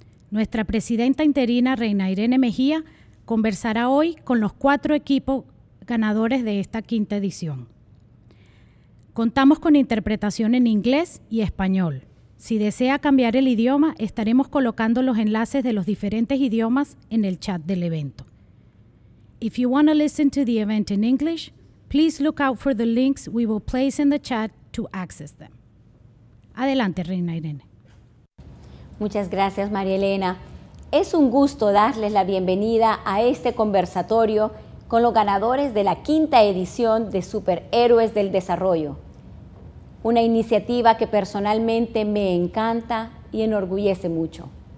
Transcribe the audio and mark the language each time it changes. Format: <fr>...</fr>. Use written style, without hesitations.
<es>Nuestra presidenta interina, Reina Irene Mejía, conversará hoy con los 4 equipos ganadores de esta 5ª edición. Contamos con interpretación en inglés y español. Si desea cambiar el idioma, estaremos colocando los enlaces de los diferentes idiomas en el chat del evento.</es> <en>If you want to listen to the event in English, please look out for the links we will place in the chat to access them.</en> <es>Adelante, Reina Irene. Muchas gracias, María Elena. Es un gusto darles la bienvenida a este conversatorio con los ganadores de la 5ª edición de Superhéroes del Desarrollo, una iniciativa que personalmente me encanta y enorgullece mucho.</es>